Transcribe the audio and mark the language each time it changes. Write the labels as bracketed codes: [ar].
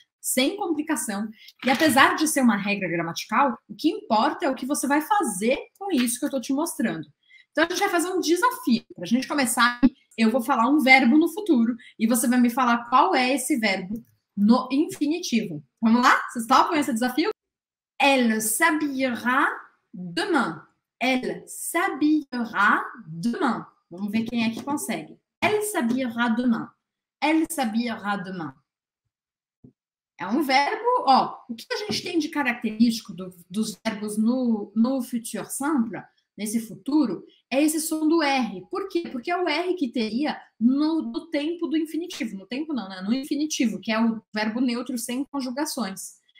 [pt] Sem complicação. E apesar de ser uma regra gramatical, o que importa é o que você vai fazer com isso que eu estou te mostrando. Então, a gente vai fazer um desafio. Para a gente começar, eu vou falar um verbo no futuro e você vai me falar qual é esse verbo no infinitivo. Vamos lá? Vocês topam esse desafio? [fr] Elle s'habillera demain. Elle s'habillera demain. [pt] Vamos ver quem é que consegue. [fr] Elle s'habillera demain. Elle s'habillera demain. [pt] É um verbo, ó. O que a gente tem de característico dos verbos no futur simple, nesse futuro, é esse som do R. Por quê? Porque é o R que teria no tempo do infinitivo. No tempo não, né? No infinitivo, que é o verbo neutro sem conjugações.